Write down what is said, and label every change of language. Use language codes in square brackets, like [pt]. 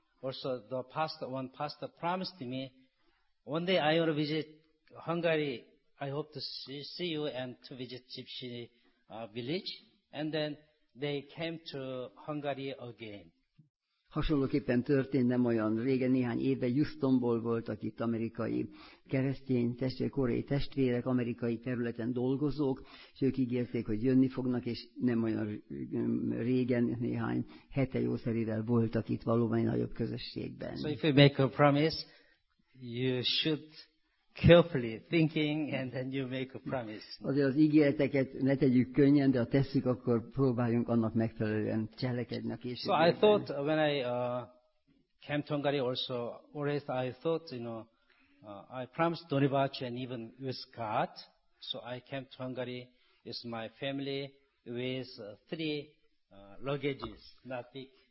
[en] Also the pastor, one pastor promised me, one day I will visit Hungary, I hope to see you and to visit Gypsy village. And then they came to Hungary again. [hu] Hasonlóképpen történt nem olyan régen, néhány éve Houstonból voltak itt amerikai keresztény testvérek, koreai testvérek, amerikai területen dolgozók, és ők ígérték, hogy jönni fognak, és nem olyan régen, néhány hete jószerivel voltak itt valóban nagyobb közösségben. [en] So if you make a promise, you should carefully thinking, and then you make a promise. [hu] Azért az ígéreteket ne tegyük könnyen, de ha tesszük, akkor próbáljunk annak megfelelően cselekedni a később. [en] So I thought when I came to Hungary also, always I thought, you know, I promised Donibachi and even with God. So I came to Hungary with my family with 3 luggages, not big.